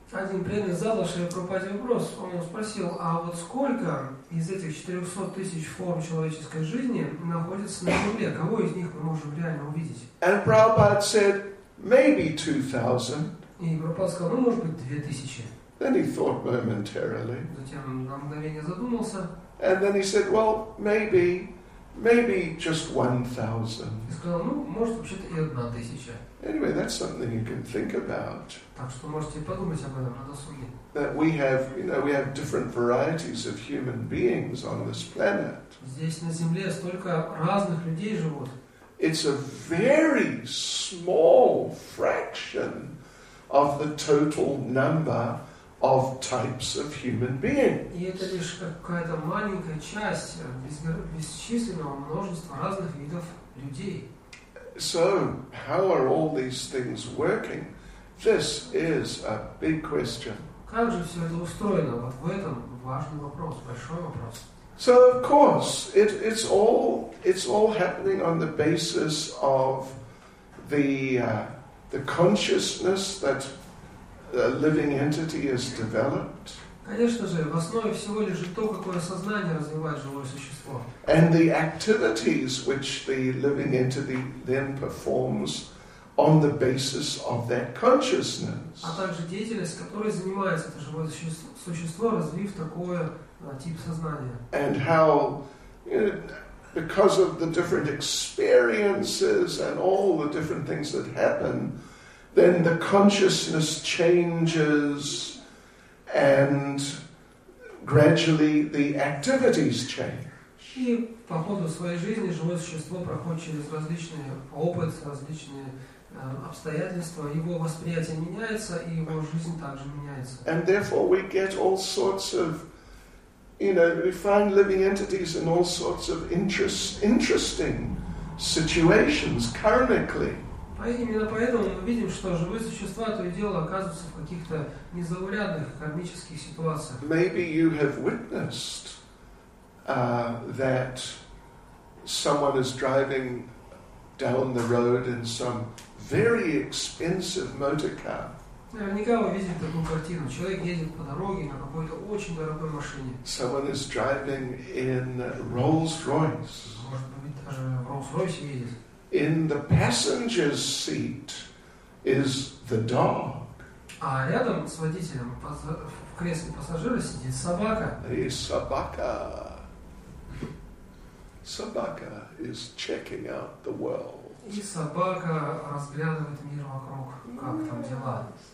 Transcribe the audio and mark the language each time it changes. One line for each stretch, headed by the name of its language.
Russian: Один преданный задал Шри Прабхупаде вопрос. Он спросил, а вот сколько из этих 400,000 форм человеческой жизни находится на Земле? Кого из них мы можем реально увидеть?
English: And Prabhupada said, maybe 2,000.
Russian: И Прабхупада сказал, может быть, 2,000.
English: Then he thought momentarily.
Russian: Затем на мгновение задумался.
English: And then he said, well, maybe just 1,000.
Russian: И сказал, может, вообще-то и 1,000.
English: Anyway, that's something you can think about.
Russian: Так что можете подумать об этом на досуге.
English: That we have, we have different varieties of human beings on this planet.
Russian: Здесь на Земле столько разных людей живут.
English: It's a very small fraction of the total number of types of human beings.
Russian: И это лишь какая-то маленькая часть бесчисленного множества разных видов людей.
English: So, how are all these things working? This is a big question.
Russian: Как же все это устроено? Вот в этом важный вопрос, большой вопрос.
English: So, of course, it's all happening on the basis of the consciousness that a living entity has developed.
Russian: Конечно же, в основе всего лежит то, какое сознание развивает живое существо.
English: And the activities which the living entity then performs on the basis of that consciousness.
Russian: А также деятельность, которой занимается это живое существо, развив такое тип сознания.
English: And how, because of the different experiences and all the different things that happen, then the consciousness changes. And gradually the activities change.
Russian: И по ходу своей жизни живое существо проходит через различные опыт, различные обстоятельства. Его восприятие меняется, и его жизнь также меняется.
English: And therefore we get all sorts of, we find living entities in all sorts of interesting situations karmically.
Russian: Именно поэтому мы видим, что живые существа то и дело оказываются в каких-то незаурядных кармических ситуациях.
English: Maybe you have witnessed that someone is driving down the road in some very expensive motor car.
Russian: Наверняка вы видели такую картину. Человек едет по дороге на какой-то очень дорогой машине.
English: Someone is driving in Rolls-Royce.
Russian: Может быть, даже в Rolls-Royce едет.
English: In the passenger's seat is the dog.
Russian: А рядом с водителем в кресле пассажира сидит собака. И собака. Собака
English: is checking out the world.
Russian: И собака разглядывает мир вокруг, как там дела.